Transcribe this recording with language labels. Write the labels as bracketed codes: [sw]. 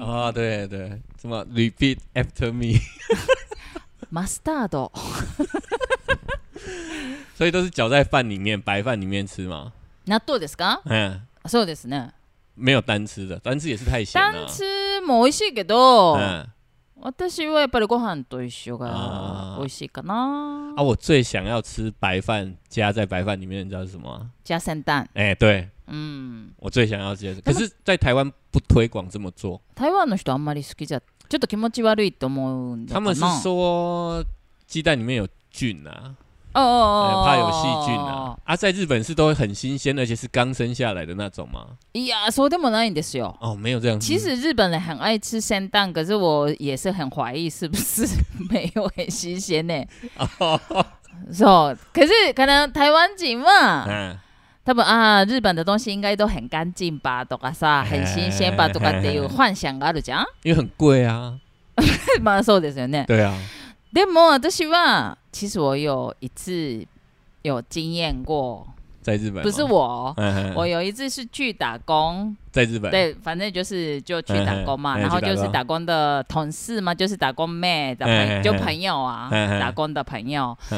[zh] 啊，对对，什么 [en] repeat after me？马斯塔多。 [zh] 所以都是搅在饭里面，白饭里面吃吗？ [ja] 納豆ですか？嗯，そうですね。 [zh] 没有单吃的，单吃也是太咸 [ja] 了。 [zh] 单吃 [ja] も美味しいけど、嗯、私はやっぱりご飯と一緒が美味しいかな。 [zh] 啊，我最想要吃白饭加在白饭里面，你知道是什么？加生蛋。哎、欸，对，嗯，我最想要吃。可是，在台湾不推广这么做。 [ja] 台湾の人あんまり好きじゃ。ちょっと気持ち悪いと思うんだかな。 [zh] 他们是说鸡蛋里面有菌啊，哦哦哦，怕有细菌啊。啊，在日本是都很新鲜，而且是刚生下来的那种吗？ [ja] いや、そうでもないんですよ。 [zh] 哦，没有这样。其实日本人很爱吃生蛋，可是我也是很怀疑是不是没有很新鲜呢。そう、可是可能台湾人は。多分啊，日本的东西应该都很干净吧，とかさ、很新鲜吧， [ja] とかっていう幻想があるじゃん。 [zh] 因为很贵啊。 [ja] まあそうですよね。 [zh] 对啊。 [ja] でも私は [zh] 其实我有一次有经验过。在日本。不是我，我有一次是去打工。在日本。对，反正就是就去打工嘛，然后就是打工的同事嘛，就是打工妹的就朋友啊，打工的朋友。